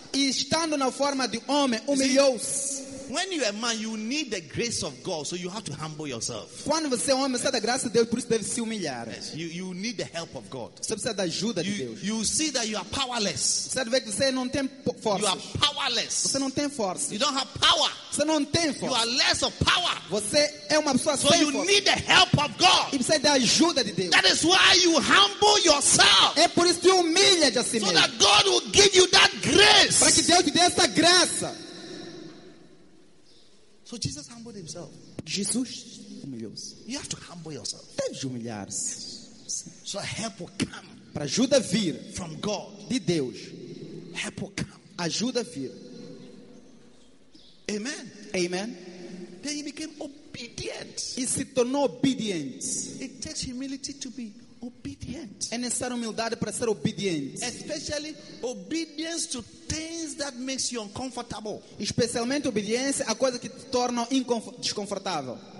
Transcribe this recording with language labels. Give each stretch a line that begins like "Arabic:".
Portuguese: E estando na forma de homem, humilhou-se.
English: When you are a man, you need the grace of God, so you have to humble yourself.
Portuguese: Quando você é homem, você da graça de Deus, por isso deve se humilhar.
English: Yes, you need the help of God.
Portuguese: Você precisa da ajuda de Deus.
English: You see that you are powerless.
Portuguese: Você vê que você não tem força.
English: You are powerless.
Portuguese: Você não tem força.
English: You don't have power.
Portuguese: Você não tem força.
English: You are less of power.
Portuguese: Você é uma pessoa so sem força.
English: So you need the help of God.
Portuguese: E precisa da ajuda de Deus.
English: That is why you humble yourself.
Portuguese: É por isso que humilha de si mesmo.
English: So that God will give you that grace.
Portuguese: Para que Deus te dê essa graça.
English: So Jesus humbled himself.
Portuguese: Jesus humilhou-se.
English: You have to humble yourself.
Portuguese: Deves humilhar-se.
English: So help will come.
Portuguese: Para ajuda vir.
English: From God.
Portuguese: De Deus.
English: Help will come.
Portuguese: Ajuda vir.
English: Amen.
Portuguese: Amen.
English: Then he became obedient. obedient.
Portuguese: E se tornou obediente.
English: It takes humility to be obedient.
Portuguese: É necessário humildade para ser obediente.
English: Especially obedience to things that makes you uncomfortable.
Portuguese: Especialmente obediência a coisas que te tornam desconfortável.